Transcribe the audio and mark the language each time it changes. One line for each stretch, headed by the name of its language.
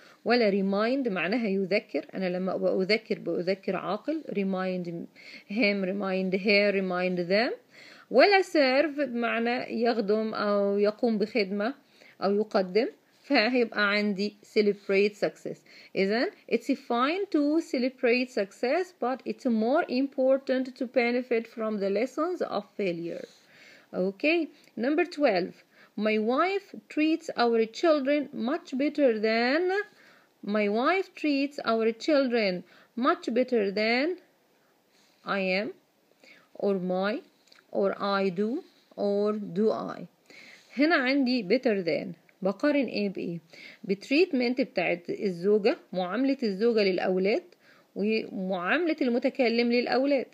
Arabic: ولا remind معناها يذكر, انا لما بأذكر بأذكر عاقل,
English: remind him remind her remind them.
Arabic: ولا سيرف بمعنى يخدم أو يقوم بخدمة أو يقدم, فهيبقى عندي
English: celebrate success. إذن it's fine to celebrate success, but it's more important to benefit from the lessons of failure. Okay, number 12. My wife treats our children much better than my wife treats our children much better than I am or my or I do or do I.
Arabic: هنا عندي better than, بقارن ايه بايه؟ بتريتمنت بتاعت الزوجة, معاملة الزوجة للأولاد ومعاملة المتكلم للأولاد.